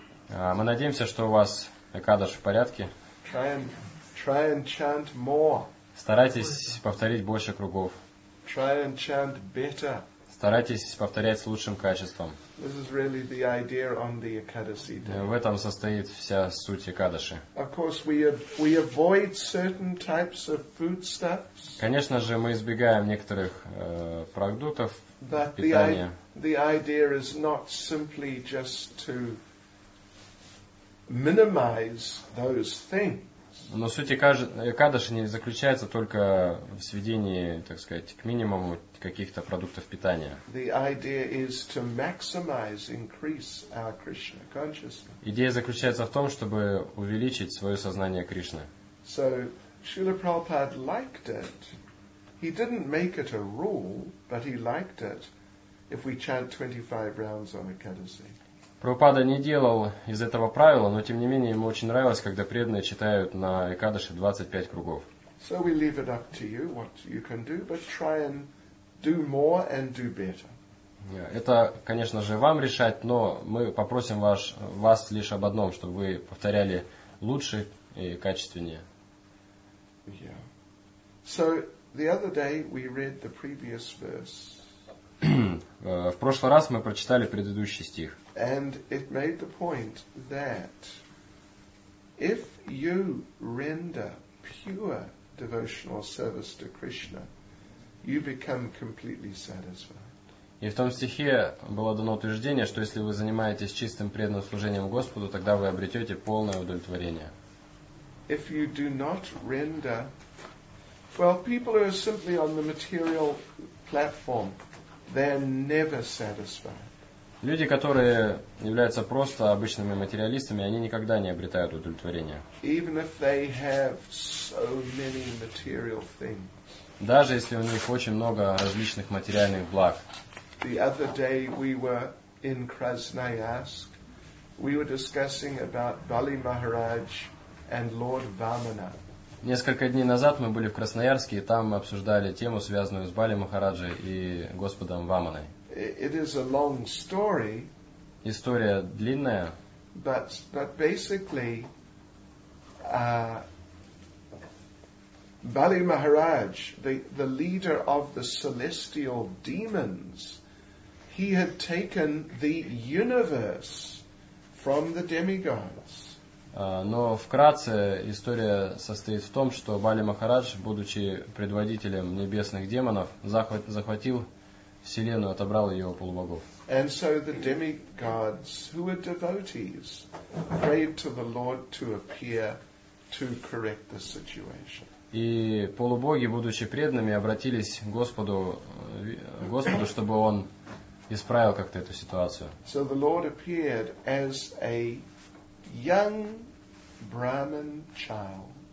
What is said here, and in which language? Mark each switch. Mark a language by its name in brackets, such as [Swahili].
[Russian] Мы надеемся, что у вас Экадаш в порядке. [English] Try and chant more. [Russian] Старайтесь повторить больше кругов. [English] Try and chant better. [Russian] Старайтесь повторять с лучшим качеством. [English] This is really the idea on the Ekadasi day. [Russian] В этом состоит вся суть Экадаши. [English] Of course, we avoid certain types of foodstuffs. [Russian] Конечно же, мы избегаем некоторых продуктов питания. [English] The idea is not simply just to minimize those things. [Russian] Но суть Экадаши не заключается только в сведении, так сказать, к минимуму каких-то продуктов питания. [English] The idea is to maximize, increase our Krishna consciousness. [Russian] Идея заключается в том, чтобы увеличить свое сознание Кришны. [English] So, Srila Prabhupada liked it. He didn't make it a rule, but he liked it if we chant 25 rounds on Ekadasi. [Russian] Прабхупада не делал из этого правила, но тем не менее ему очень нравилось, когда преданные читают на Экадаши 25 кругов. [English] So we leave it up to you what you can do, but try and do more and do better. [Russian] Это, конечно же, вам решать, но мы попросим вас лишь об одном, чтобы вы повторяли лучше и качественнее. [English] Yeah. So the other day we read the previous verse. [Russian] В прошлый раз мы прочитали предыдущий стих. [English] And it made the point that if you render pure devotional service to Krishna, you become completely satisfied. [Russian] И в том стихе было дано утверждение, что если вы занимаетесь чистым преданным служением Господу, тогда вы обретете полное удовлетворение. [English] If you do not render, well, people who are simply on the material platform, they're never satisfied. [Russian] Люди, которые являются просто обычными материалистами, они никогда не обретают удовлетворения. [English] Even if they have so many material things. [Russian] Даже если у них очень много различных материальных благ. [English] The other day we were in Krasnoyarsk. We were discussing about Bali Maharaj and Lord Vamana. [Russian] Несколько дней назад мы были в Красноярске, и там мы обсуждали тему, связанную с Бали Махараджи и Господом Ваманой. [English] It is a long story. [Russian] История длинная. [English] But basically, Bali Maharaj, the leader of the celestial demons, he had taken the universe from the demigods. [Russian] Но вкратце история состоит в том, что Бали Махарадж, будучи предводителем небесных демонов, захватил Вселенную, отобрал ее у полубогов. [English] And so the demigods, who were devotees, prayed to the Lord to appear to correct the situation. [Russian] И полубоги, будучи преданными, обратились к Господу, чтобы он исправил как-то эту ситуацию. [English] So the Lord appeared as a young Brahmin child.